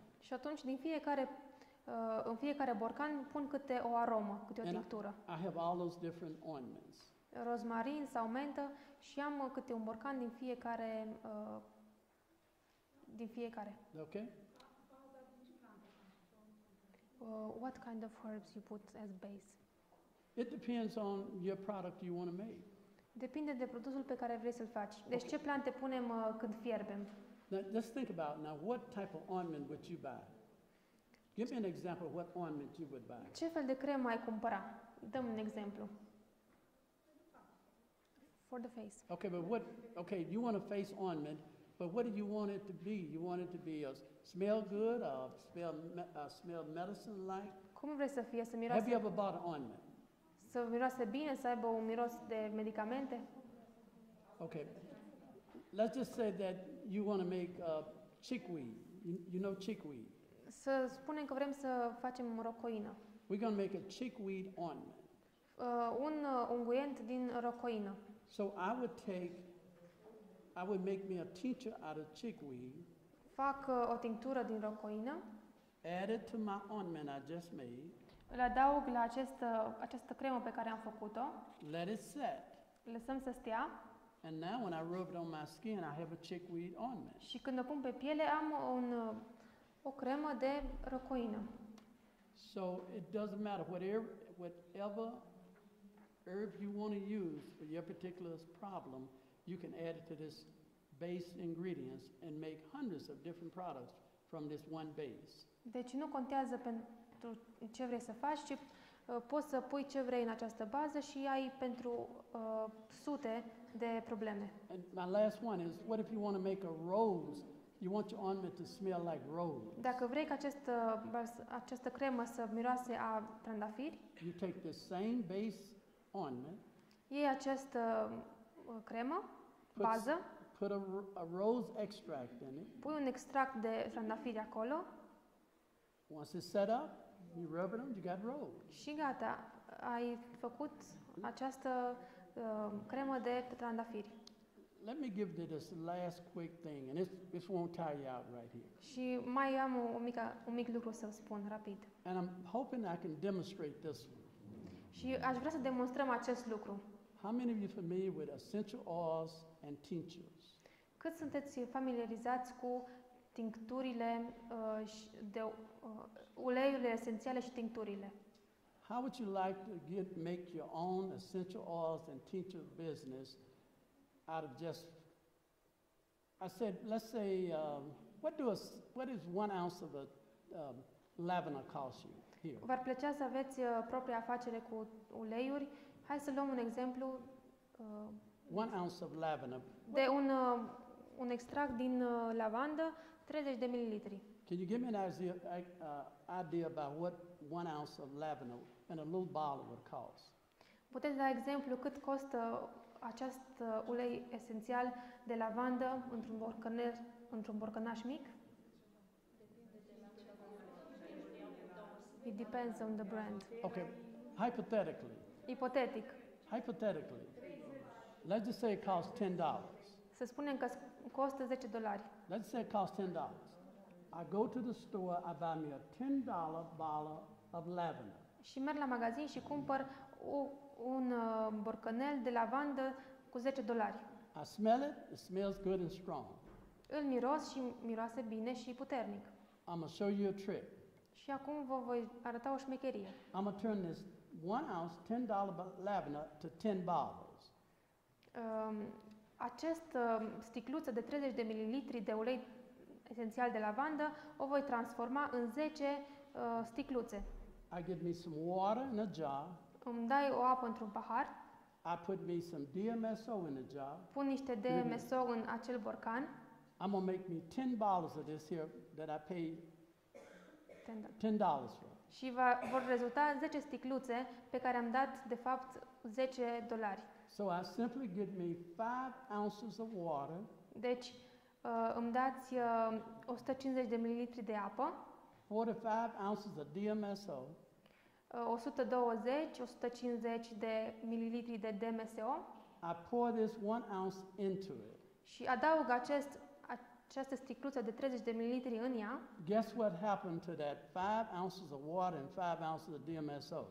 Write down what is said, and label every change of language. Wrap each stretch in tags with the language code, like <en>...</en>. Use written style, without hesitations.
<ro>Și atunci din fiecare în fiecare borcan pun câte o aromă, câte o tinctură.</ro> <en>I have all those different ointments.</en> <ro>Rozmarin sau mentă și am câte un borcan din fiecare din fiecare.</ro> <en>Okay. What kind of herbs you put as base? It depends on your product you want to make.</en> <ro>Depinde de produsul pe care vrei să-l faci. Deci okay. Ce plante punem când fierbem?</ro> <en>Now, just think about now what type of ointment would you buy? Give me an example of what ointment you would buy.</en> <ro>Ce fel de cremă ai cumpăra? Dă-mi un exemplu.</ro> <en>For the face. Okay, but what? Okay, you want a face ointment, but what do you want it to be? You want it to be a smell good, smell medicine like?</en> <ro>Cum vrei să fie, să miroase?</ro> <en>Have you ever bought an ointment?</en> <ro>Să miroase bine, să aibă un miros de medicamente?</ro> <en>Okay. Let's just say that you want to make chickweed. You know chickweed.</en> <ro>Să spunem că vrem să facem rocoină.</ro> <en>We're going to make a chickweed ointment.</en> <ro>Un unguent din rocoină.</ro> <en>So I would make me a tincture out of chickweed.</en> <ro>Fac o tinctură din rocoină.</ro> <en>Add it to my ointment I just made.</en> <ro>Îl adaug la această cremă pe care am făcut-o.</ro> <en>Let it set.</en> <ro>Lăsăm să stea.</ro> <en>And now when I rub it on my skin, I have a chickweed ointment.</en> <ro>Și când o pun pe piele, am o cremă de rocoină.</ro> <en>So it doesn't matter whatever herb you want to use for your particular problem, you can add it to this base ingredients and make hundreds of different products from this one base.</en> <ro>Deci nu contează pentru ce vrei să faci, ci poți să pui ce vrei în această bază și ai pentru sute de probleme.</ro> <en>And my last one is, what if you want to make a rose? You want your ointment to smell like rose.</en> <ro>Dacă vrei ca această cremă să miroase a trandafiri,</ro> <en>you take the same base ointment.</en> <ro>Iei această cremă, bază.</ro> <en>Put a rose extract in it.</en> <ro>Pui un extract de trandafiri acolo.</ro> <en>Once it's set up, you rub it on, you got rose.</en> <ro>Și gata, ai făcut această cremă de trandafiri.</ro> <en>Let me give you this last quick thing, and this won't tire you out right here.</en> <ro>Și mai am un mic lucru să spun rapid.</ro> <en>And I'm hoping I can demonstrate this.</en> <ro>Și aș vrea să demonstrăm acest lucru.</ro> <en>How many of you familiar with essential oils and tinctures?</en> <ro>Cât sunteți familiarizați cu tincturile și de uleiurile esențiale și tincturile?</ro> <en>How would you like to make your own essential oils and tincture business out of just, I said, let's say, what is 1 ounce of a lavender cost you here?</en> <ro>V-ar plăcea să aveți propria afacere cu uleiuri? Hai să luăm un exemplu.</ro> <en>1 ounce of lavender.</en> <ro>De un extract din lavandă, 30 de mililitri.</ro> <en>Can you give me an idea about what 1 ounce of lavender in a little bottle would cost?</en> <ro>Puteți da exemplu cât costă acest ulei esențial de lavandă într-un borcanaș mic?</ro> <en>It depends on the brand. Okay, hypothetically.</en> <ro>Ipotetic.</ro> <en>Hypothetically. Let's just say it costs $10.</en> <ro>Să spunem că costă $10.</ro> <en>Let's say it costs $10. I go to the store, I buy me a $10 bottle of lavender.</en> <ro>Și merg la magazin și cumpăr un borcanel de lavandă cu $10.</ro> <en>I smell it, it smells good and strong.</en> <ro>Îl miros și miroase bine și puternic.</ro> <en>I'm gonna show you a trick.</en> <ro>Și acum vă voi arăta o șmecherie.</ro> <en>I'm gonna turn this 1 ounce $10 lavender to 10 bottles.</en> <ro>Această sticluță de 30 de mililitri de ulei esențial de lavandă o voi transforma în 10 sticluțe.</ro> <en>I give me some water in a jar.</en> <ro>Îmi dai o apă într-un pahar.</ro> <en>I put me some DMSO in a jar.</en> <ro>Pun niște DMSO în acel borcan.</ro> <en>I'm gonna make me 10 bottles of this here that I paid $10 for.</en> <ro>Și vor rezulta 10 sticluțe pe care am dat de fapt $10.</ro> <en>So I simply give me 5 ounces of water.</en> <ro>Deci îmi dați 150 de mililitri de apă.</ro> <en>45 ounces of DMSO.</en> <ro>120-150 de mililitri de DMSO.</ro> <en>I pour this 1 ounce into it.</en> <ro>Și adaug această sticluță de 30 de mililitri în ea.</ro> <en>Guess what happened to that 5 ounces of water and 5 ounces of DMSO?</en>